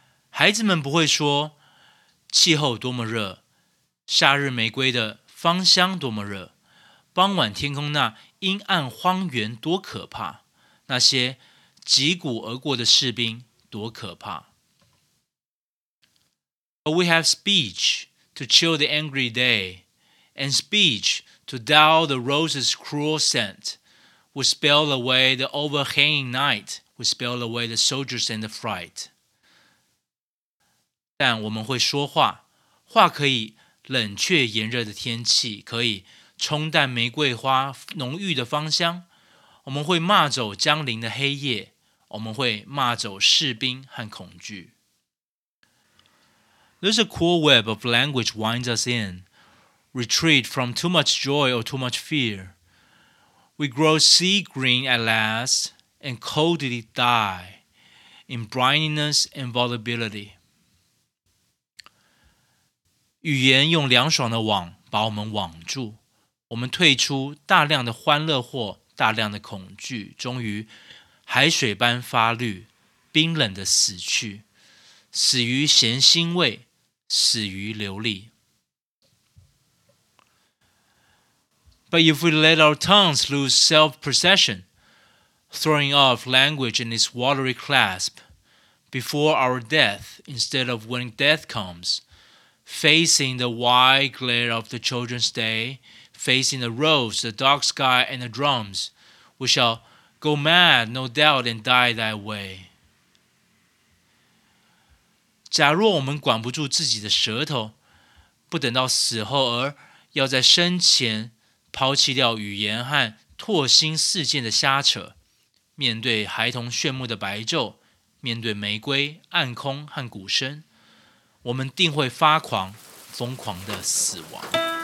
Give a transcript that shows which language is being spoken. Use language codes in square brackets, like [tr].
[zh] 孩子们不会说气候多么热，夏日玫瑰的芳香多么热，傍晚天空那阴暗荒原多可怕，那些击鼓而过的士兵多可怕。 [en] But we have speech. To chill the angry day, and speech to dull the rose's cruel scent, we spell away the overhanging night, we spell away the soldiers and the fright. [zh] 但我们会说话，话可以冷却炎热的天气，可以冲淡玫瑰花浓郁的芳香。我们会骂走江陵的黑夜，我们会骂走士兵和恐惧。 [en] There's a cool web of language winds us in. Retreat from too much joy or too much fear. We grow sea green at last and coldly die in brininess and volubility. [zh] 语言用凉爽的网把我们网住。我们退出大量的欢乐或大量的恐惧，终于海水般发绿，冰冷的死去，死于咸腥味。死于流利。 [en] But if we let our tongues lose self-possession, throwing off language in its watery clasp, before our death, instead of when death comes, facing the wide glare of the children's day, facing the rose, the dark sky, and the drums, we shall go mad, no doubt, and die that way. [zh] 假若我们管不住自己的舌头，不等到死后而要在生前抛弃掉语言和唾心四溅的瞎扯，面对孩童炫目的白昼，面对玫瑰、暗空和鼓声，我们定会发狂、疯狂的死亡。